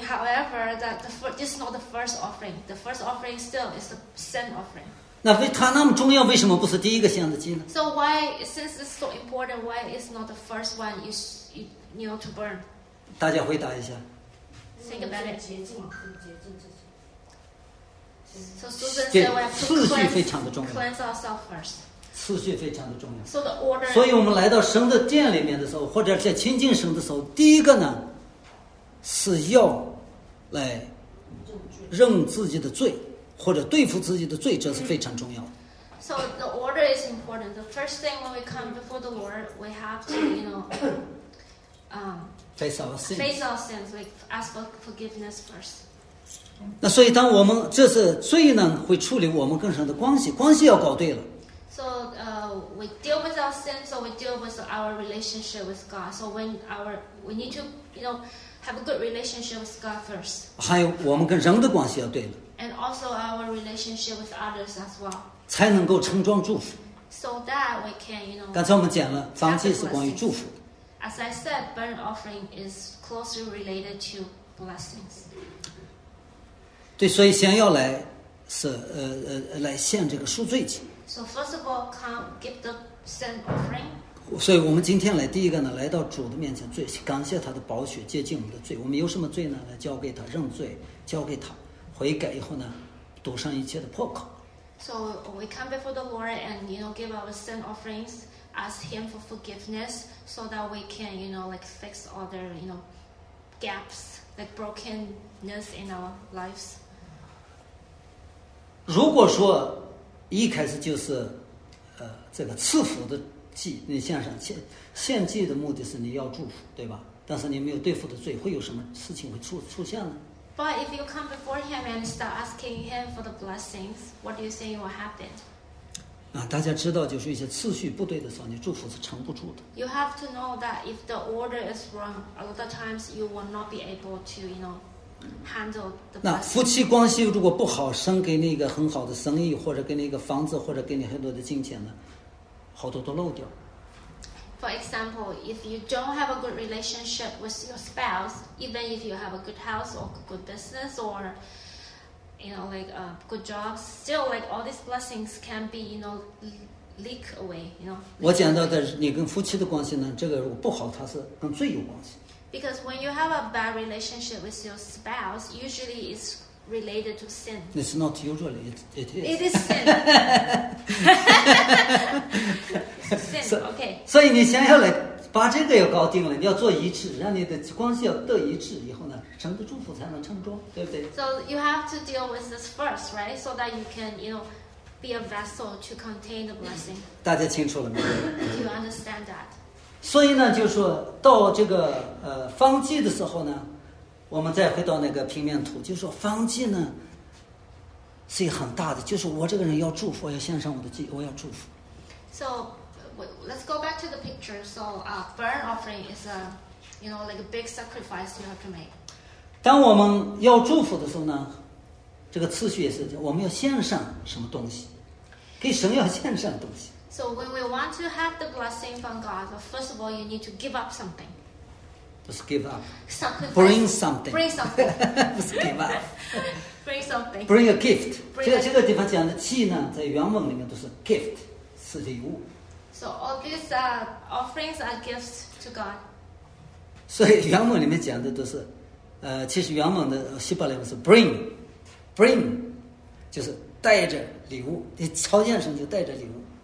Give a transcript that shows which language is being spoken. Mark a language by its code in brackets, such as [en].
[en] However, this is not the first offering. The first offering still is the sin offering. [zh] 那为它那么重要，为什么不是第一个献的祭呢 [en] ？So why, since it's so important, why is not the first one you know to burn? [zh] 大家回答一下。 [en] Think about it. [zh] 洁净自己。 [en] So Susan said, "We have to cleanse ourselves first." [zh] 次序非常的重要。 [en] So、the order, [zh] 所以我们来到神的殿里面的时候，或者在亲近神的时候，第一个呢是要来认自己的罪，或者对付自己的罪，这是非常重要的。 [en] So the order is important. The first thing when we come before the Lord, we have to, you know, face our sins, like ask for forgiveness first. [zh] 那所以当我们这是罪呢，会处理我们跟神的关系，关系要搞对了。 [en] So we deal with our sin, so we deal with our relationship with God. So we need to, you know, have a good relationship with God first. [zh] 还有我们跟人的关系要对了。 [en] And also our relationship with others as well. [zh] 才能够承装祝福。 [en] So that we can, you know. [zh] 刚才我们讲了，燔祭是关于祝福。 [en] As I said, burnt offering is closely related to blessings. [zh] 对，所以先要来是来献这个赎罪祭。 [en] So first of all, come give the sin offering. [zh] 所以我们今天来第一个呢，来到主的面前，罪感谢他的宝血洁净我们的罪。我们有什么罪呢？来交给他认罪，交给他悔改以后呢，堵上一切的破口。 [en] So we come before the Lord and you know give our sin offerings, ask Him for forgiveness, so that we can you know like fix all the you know gaps, like brokenness in our lives. [zh] 如果说一开始就是这个赐福的祭，你献上献祭的目的是你要祝福，对吧？但是你没有对付的罪，会有什么事情会出现呢 [en] ？But if you come before him and start asking him for the blessings, what do you think will happen？ [zh] 啊，大家知道，就是一些次序不对的时候，你祝福是撑不住的。 [en] You have to know that if the order is wrong, a lot of times you will not be able to, you know. [zh] 那夫妻关系如果不好，神给你一个很好的生意，或者给你一个房子，或者给你很多的金钱呢，好多都漏掉。 [en] For example, if you don't have a good relationship with your spouse, even if you have a good house or good business or you know like a good job, still like all these blessings can be you know leak away. You know. [zh] 我讲到的你跟夫妻的关系呢，这个如果不好，它是跟罪有关系。 [en] Because when you have a bad relationship with your spouse, usually it's related to sin. It's not usually, it is. It is sin. sin, okay. [zh] 所以你想要来把这个要搞定了，你要做一致，让你的关系要得一致，以后呢，神的祝福才能成功，对不对 [en] ？So you have to deal with this first, right? So that you can, you know, be a vessel to contain the blessing. [zh] 大家清楚了吗 [en] ？Do you understand that? [zh] 所以呢，就是说到这个方剂的时候呢，我们再回到那个平面图，就是说方剂呢，所以很大的就是我这个人要祝福，要献上我的祭，我要祝福。 [en] So let's go back to the picture. So burn offering is a, you know, like a big sacrifice you have to make. [zh] 当我们要祝福的时候呢，这个次序也是我们要献上什么东西，给神要献上东西。 [en] So when we want to have the blessing from God, well, first of all, you need to give up something. Just give up. Sacrifice. Bring something. Bring something. Just give up. Bring something. Bring a gift. [zh] Bring 这个地方讲的祭呢，在原文里面都是 gift， 是礼物。 [en] So all these offerings are gifts to God. [zh] 所以原文里面讲的都是，其实原文的希伯来文是 [en] bring， bring， [zh] 就是带着礼物，你朝见神就带着礼物。